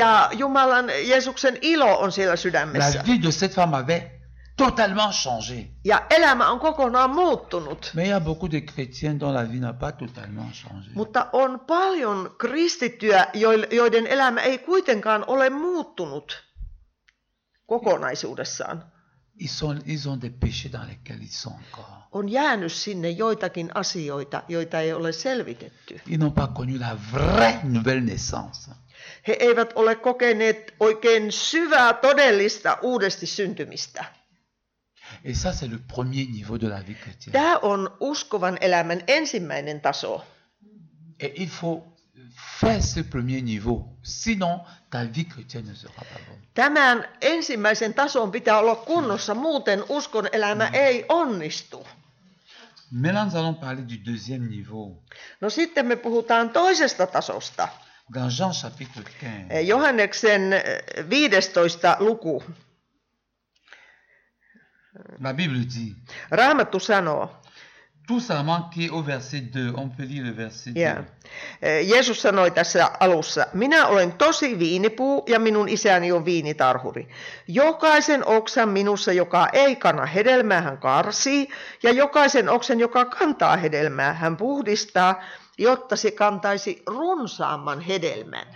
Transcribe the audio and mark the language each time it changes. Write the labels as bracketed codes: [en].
[fi] Ja Jumalan Jeesuksen ilo on siellä sydämessä. [fr] La vie de cette femme avait totalement changé. [fi] Ja elämä on kokonaan muuttunut. [fr] Mais il y a beaucoup de chrétiens dont la vie n'a pas totalement changé. [fi] Mutta on paljon kristittyjä, joiden elämä ei kuitenkaan ole muuttunut kokonaisuudessaan. [fr] Ils ont des péchés dans lesquels ils sont encore. [fi] On jäänyt sinne joitakin asioita, joita ei ole selvitetty. [fr] Ils n'ont pas connu la vraie nouvelle naissance. [fi] He eivät ole kokeneet oikein syvää todellista uudesti syntymistä. [fr] Et ça c'est le premier niveau de la vie chrétienne. [fi] Tämä on uskovan elämän ensimmäinen taso. [fr] Et il faut faire ce premier niveau, sinon ta vie chrétienne ne sera pas bonne. [fi] Tämän ensimmäisen tason pitää olla kunnossa, muuten uskon elämä ei onnistu. [fr] Mais là, nous allons parler du deuxième niveau. [fi] No sitten me puhutaan toisesta tasosta. [fr] Dans Jean chapitre 15. [fi] Johanneksen 15. luku. [fr] La Bible dit. [fi] Raamattu sanoo. [fr] Tout simplement qui au verset 2, on peut lire le verset 2. Yeah. [fi] Jeesus sanoi tässä alussa, minä olen tosi viinipuu ja minun isäni on viinitarhuri. Jokaisen oksan minussa, joka ei kanna hedelmää, hän karsii, ja jokaisen oksan, joka kantaa hedelmää, hän puhdistaa, jotta se kantaisi runsaamman hedelmän.